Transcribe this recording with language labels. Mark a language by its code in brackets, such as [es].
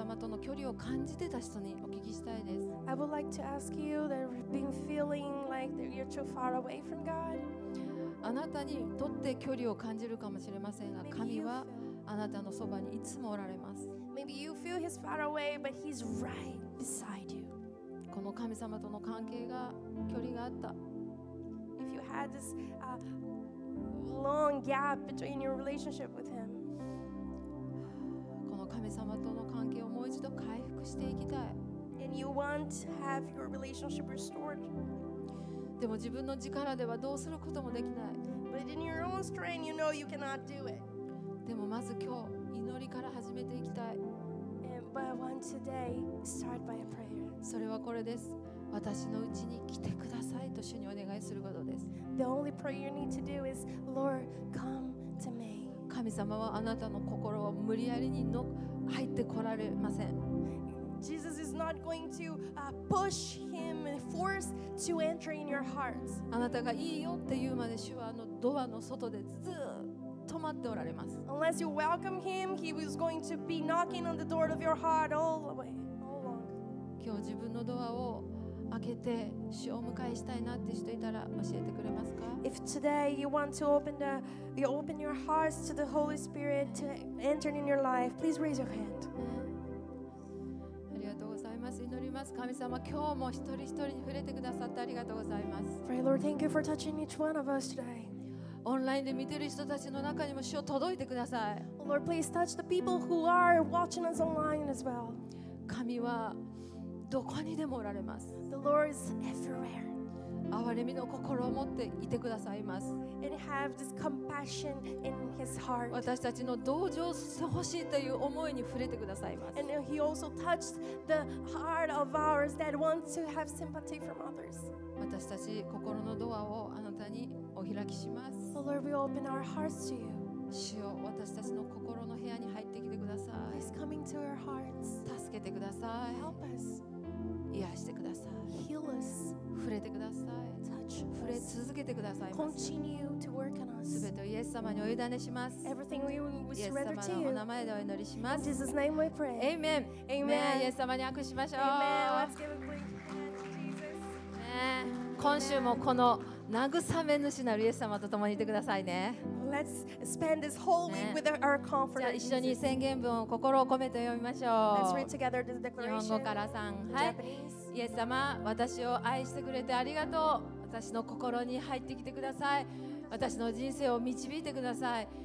[en] I would like to ask you that you've been feeling like you're too far away from God. [ja] あなたにとって距離を感じるかもしれませんが、神はあなたのそばにいつもおられます。 [en] Maybe you feel He's far away, but He's right beside you. [ja] この神様との関係が距離があった。 [en] If you had this long gap between your relationship with Him. [ja] 神様との関係をもう一度回復していきたい。 [en] And you want to have your relationship restored. [ja] でも自分の力ではどうすることもできない。 [en] But in your own strength, you know you cannot do it. [ja] でもまず今日祈りから始めていきたい。 [en] And, but I want today start by a prayer. [ja] それはこれです。私のうちに来てくださいと主にお願いすることです。 [en] The only prayer you need to do is, Lord, come to me. [ja] 神様はあなたの心を無理やりに入ってこられません。 [en] Jesus is not going to push him and force to enter in your hearts. [ja] あなたがいいよって言うまで主はあのドアの外でずっと待っておられます。 [en] Unless you welcome him, he was going to be knocking on the door of your heart all the way, all along. [ja] 今日自分のドアを開けて主を迎えしたいなって人いたら教えてくれますか。 [en] If today you want to open your hearts to the Holy Spirit to enter in your life, please raise your hand. [ja] ありがとうございます。祈ります。神様、今日も一人一人に触れてくださってありがとうございます。 [en] Pray, Lord, thank you for touching each one of us today. [ja] オンラインで見てる人たちの中にも主を届いてください。 [en] Lord, please touch the people who are watching us online as well. [ja] 神はどこにでもおられます。 [en] The Lord is everywhere. [ja] 憐れみの心を持っていてくださいます。 [en] And have this compassion in his heart. [ja] 私たちの同情してほしいという思いに触れてくださいます。 [en] And he also touched the heart of ours that wants to have sympathy from others. [ja] 私たち心のドアをあなたにお開きします。 [en] So Lord, we open our hearts to you. [ja] 主よ、私たちの心の部屋に入ってきてください。 [en] Please come into our hearts. [ja] 助けてください。 [en] Help us. [ja] 癒してください。 [en] Heal us. [ja] 触れてください。 [en] Touch us. [ja] 触れ続けてください。 [en] Continue to work on us. [ja] すべてをイエス様にお委ねします。 [en] Everything we surrender to you. [ja] イエス様のお名前でお祈りします。 [en] In Jesus' name we pray. Amen. Amen. [ja] イエス様に握手しましょう。 [en] Amen. Let's give a great hand to Jesus. [ja] 今週もこの慰め主なるイエス様と共にいてくださいね。 [en] Let's spend this whole week with our comfort. [ja] じゃあ一緒に宣言文を心を込めて読みましょう。 [en] Let's read together the declaration. [ja] 日本語から3。はい。イエス様、私を愛してくれてありがとう。私の心に入ってきてください。私の人生を導いてください。